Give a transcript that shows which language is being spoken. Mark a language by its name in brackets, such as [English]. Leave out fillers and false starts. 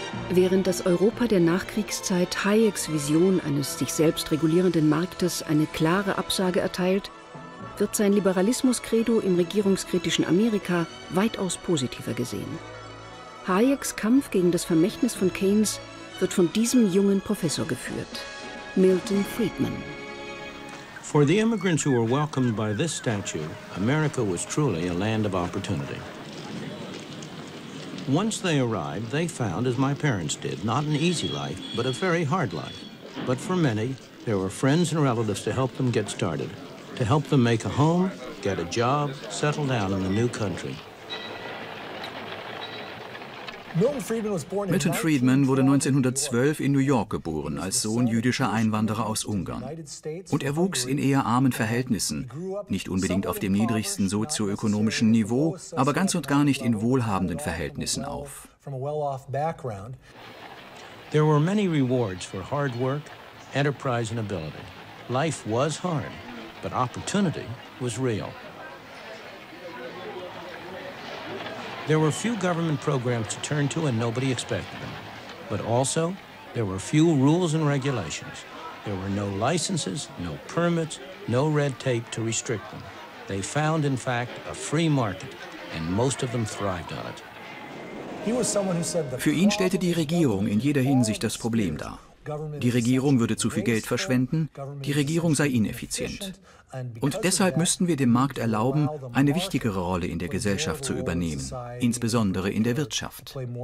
[German] Während das Europa der Nachkriegszeit Hayeks Vision eines sich selbst regulierenden Marktes eine klare Absage erteilt, wird sein Liberalismus-Credo im regierungskritischen Amerika weitaus positiver gesehen. Hayeks Kampf gegen das Vermächtnis von Keynes wird von diesem jungen Professor geführt, Milton Friedman. [English] For the immigrants who were welcomed by this statue, America was truly a land of opportunity. Once they arrived, they found, as my parents did, not an easy life, but a very hard life. But for many, there were friends and relatives to help them get started. To help them make a home, get a job, settle down in the new country. [German] Milton Friedman wurde 1912 in New York geboren, als Sohn jüdischer Einwanderer aus Ungarn. Und er wuchs in eher armen Verhältnissen, nicht unbedingt auf dem niedrigsten sozioökonomischen Niveau, aber ganz und gar nicht in wohlhabenden Verhältnissen auf. [English] There were many rewards for hard work, enterprise and ability. Life was hard. But opportunity was real. There were few government programs to turn to and nobody expected them. But also, there were few rules and regulations. There were no licenses, no permits, no red tape to restrict them. They found, in fact, a free market, and most of them thrived on it. [German] Für ihn stellte die Regierung in jeder Hinsicht das Problem dar. Die Regierung würde zu viel Geld verschwenden, die Regierung sei ineffizient. Und deshalb müssten wir dem Markt erlauben, eine wichtigere Rolle in der Gesellschaft zu übernehmen, insbesondere in der Wirtschaft.